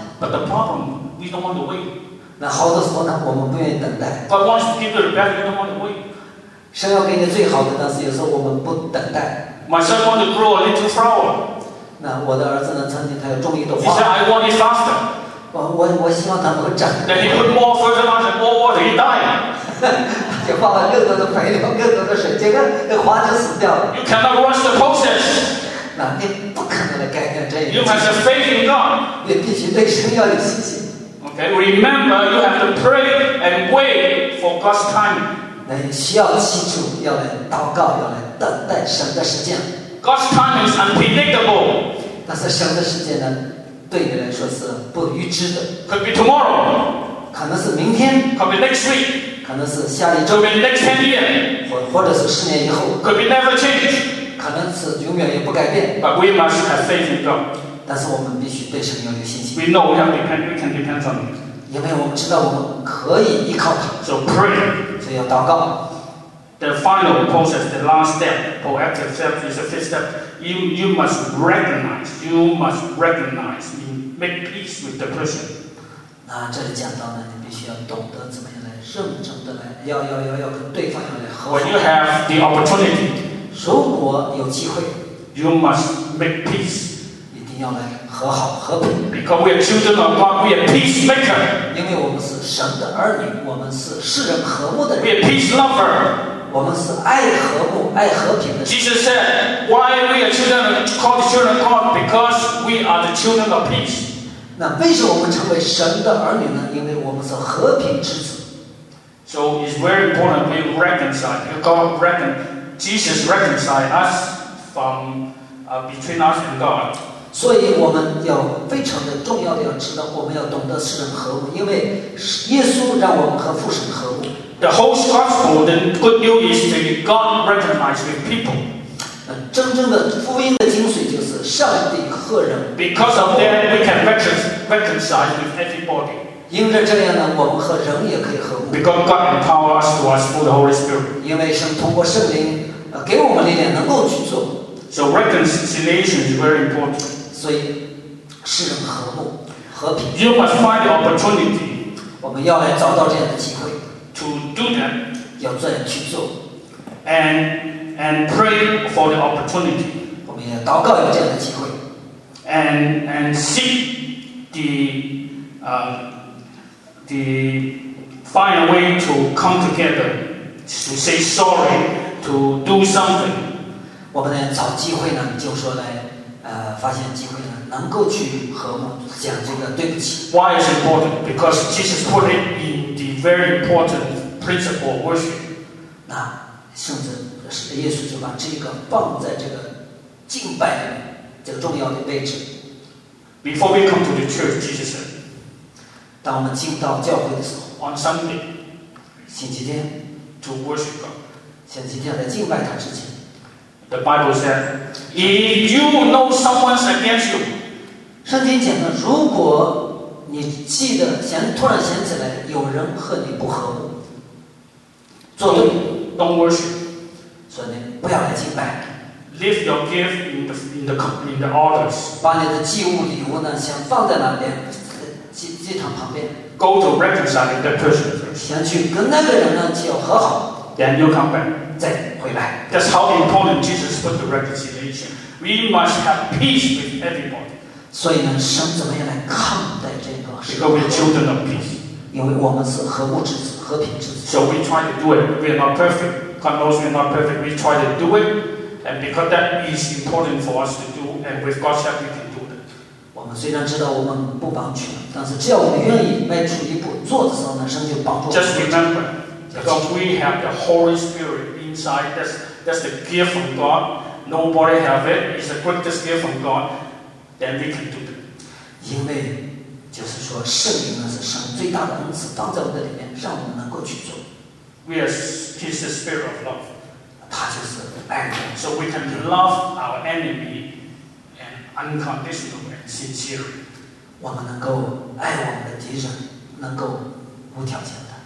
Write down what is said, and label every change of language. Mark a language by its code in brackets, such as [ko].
[en] But the problem, we don't want to wait. [zh] 那好多时候呢，我们不愿意等待。 [en] But once you give the best, you don't want to wait. [zh] 神要给你最好的，但是有时候我们不等待。 [en] My son wants to grow a little flower. [zh] 那我的儿子呢，曾经他要种一朵花。 [en] He said, I want it faster. [zh] 我希望他能够长。 [en] Then he put more fertilizer, more water, he died. [zh] 就放了更多的肥料，更多的水，结果那花就死掉了。 [en] You cannot rush the process. [zh] 那你不可能来改变这一。 [en] You must have faith in God. [zh] 你必须对神要有信心。 [en] OK. Okay, remember you have to pray and wait for God's time. [zh] 来需要记住，要来祷告，要来等待神的时间。 [en] God's time is unpredictable. [zh] 但是神的时间呢，对你来说是不预知的。 [en] Could be tomorrow. [zh] 可能是明天。 [en] Could be next week. [zh] 可能是下一周。 [en] Could be next 10 years. [zh] 或者是十年以后。 [en] Could be never change. [zh] 可能是永远也不改变。 [en] But we must have faith in God. [zh] 但是我们必须对神要有信心。 [en] We know we can depend on Him. [zh] 因为我们知道我们可以依靠他 [en] so pray [zh] 所以要祷告 [en] the final process the last step proactive step is the fifth step you must recognize you make peace with the person [zh] 那这里讲到呢你必须要懂得怎么样来认真的来要跟对方要来和好 [en] when you have the opportunity [zh] 如果有机会 [en] you must make peace [zh] 一定要来和好和平 [en] Because we are children of God, we are peacemaker. [zh] 因为我们是神的儿女，我们是世人和睦的人。 [en] We are peace lover. [zh] 我们是爱和睦、爱和平的人。 [en] Jesus said, "Why we are children called children of God? Because we are the children of peace." [zh] 那为什么我们成为神的儿女呢？因为我们是和平之子。 [en] So it's very important we reconcile. God Jesus reconciled us from between us and God. [zh] 所以我们要非常的重要的要知道我们要懂得世人和睦因为耶稣让我们和父神和睦 [en] The whole gospel, the good news is that God recognizes with people [zh] 真正的福音的精髓就是上帝和人 [en] Because of that we can reconcile with everybody [zh] 因为这样呢我们和人也可以和睦 [en] Because God empowers us through the Holy Spirit [zh] 因为神通过圣灵给我们力量能够去做 [en] So reconciliation is very important. [zh] 所以，世人和睦，和平。 [en] You must find the opportunity. [zh] 我们要来找到这样的机会。 [en] To do that. [zh] 要这样去做。 [en] And pray for the opportunity. [zh] 我们也祷告有这样的机会。 [en] And seek the find a way to come together to say sorry to do something. [zh] 我们呢找机会呢，就说来，发现机会呢，能够去和睦，讲这个对不起。 [en] Why is important? Because Jesus put it in the very important principle of worship. [zh] 那甚至耶稣就把这个放在这个敬拜的这个重要的位置。 [en] Before we come to the church, Jesus said. [zh] 当我们进到教会的时候 [en] ，On Sunday, [zh] 星期天 [en] ，to worship God. [zh] 星期天来敬拜他之前。 [en] The Bible says, "If you know someone's against you." [zh] 圣经讲的，如果你记得突然想起来有人和你不和睦，做对 [en] ，Don't worship. [zh] 所以不要来敬拜。 [en] Leave your gift in the altar. [zh] 把你的祭物礼物呢，先放在那边祭坛旁边。 [en] Go to reconcile that person. [zh] 先去跟那个人呢就和好。 [en] Then you come back. [zh] 再回来。 [en] That's how important Jesus put the reconciliation. We must have peace with everybody. [zh] 所以呢，神怎么样来看待这个？ [en] Because we're children of peace. [zh] 因为我们是和睦之子，和平之子。 [en] So we try to do it. We're not perfect. God knows we're not perfect. We try to do it, and because that is important for us to do, and with God's help, we can do it. [zh] 我们虽然知道我们不帮助，但是只要我们愿意迈出一步做的时候呢，神就帮助。 [en] Just remember. Because we have the Holy Spirit inside, that's the gift from God. Nobody has it. It's the greatest gift from God. Then we can do it. [zh] 因为就是说，圣灵呢是神最大的恩赐，放在我们的里面，让我们能够去做。 [en] We are His Spirit of love. [zh] 他就是爱人。 [en] So we can love our enemy and unconditionally and sincerely. [zh] 我们能够爱我们的敌人，能够无条件。